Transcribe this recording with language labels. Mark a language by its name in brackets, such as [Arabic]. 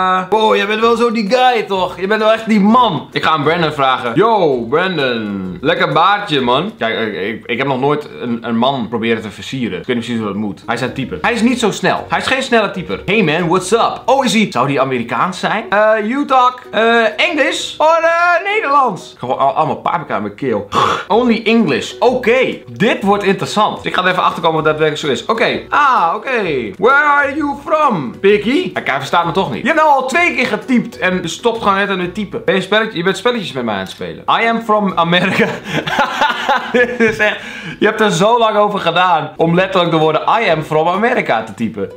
[Dutch] Wow, je bent wel zo die guy, toch? Je bent wel echt die man. Ik ga aan Brandon vragen. Yo, Brandon. Lekker baardje, man. Kijk, ik heb nog nooit een man proberen te versieren. Ik weet niet precies hoe dat moet. Hij is een type. Hij is niet zo snel. Hij is geen snelle type. [English] Hey, man. What's up? [Dutch] Oh, is hij? Zou die Amerikaans zijn? [English] You talk English or Nederlands? [Dutch] Gewoon allemaal paprika in mijn keel. [English] Only English. [Dutch] Oké. Dit wordt interessant. Ik ga er even achterkomen wat daadwerkelijk zo is. Oké. [English] Where are you from, Piggy? [Dutch] Kijk, hij verstaat me toch niet. Je hebt nou al 2 keer getypt en stopt gewoon net aan het typen. Je bent spelletjes met mij aan het spelen. [English] I am from America. [Dutch] Dit is echt... Je hebt er zo lang over gedaan om letterlijk de woorden [English] I am from America [Dutch] te typen.